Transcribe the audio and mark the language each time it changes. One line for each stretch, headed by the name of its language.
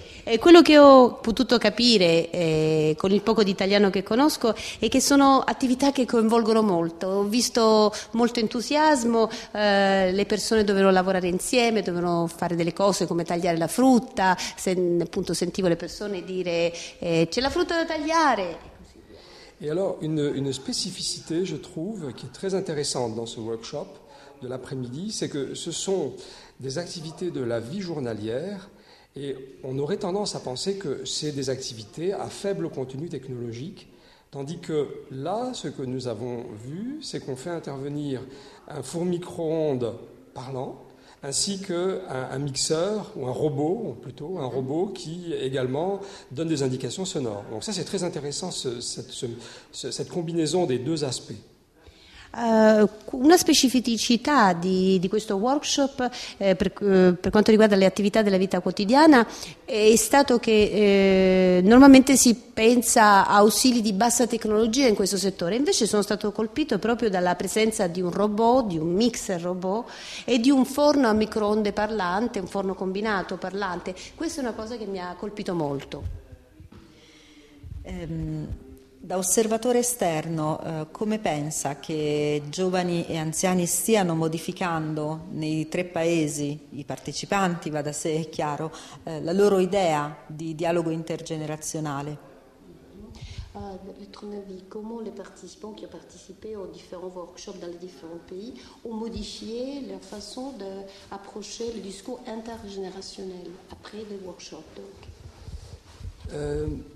Italian: E quello che ho potuto capire con il poco di italiano che conosco è che sono attività che coinvolgono molto. Ho visto molto entusiasmo, le persone dovevano lavorare insieme, dovevano fare delle cose come tagliare la frutta, appunto sentivo le persone dire c'è la frutta da tagliare. E allora una specificità,
French: je trouve,
Italian: che è
French: très intéressante dans ce workshop de l'après-midi, c'est que ce sont des activités de la vie journalière. Et on aurait tendance à penser que c'est des activités à faible contenu technologique, tandis que là, ce que nous avons vu, c'est qu'on fait intervenir un four micro-ondes parlant, ainsi qu'un mixeur, ou un robot, ou plutôt un robot qui également donne des indications sonores. Donc ça, c'est très intéressant, cette combinaison des deux aspects.
Italian: Una specificità di questo workshop per quanto riguarda le attività della vita quotidiana è stato che normalmente si pensa a ausili di bassa tecnologia in questo settore, invece sono stato colpito proprio dalla presenza di un robot, di un mixer robot e di un forno a microonde parlante, un forno combinato parlante. Questa è una cosa che mi ha colpito molto. Da osservatore esterno, come pensa che giovani e anziani stiano modificando nei tre paesi i partecipanti, va da sé, è chiaro, la loro idea di dialogo intergenerazionale?
French: Votre avis, comment les participants qui ont participé aux différents workshops dans les différents pays ont modifié leur façon d'approcher le discours intergénérationnel après les workshops donc.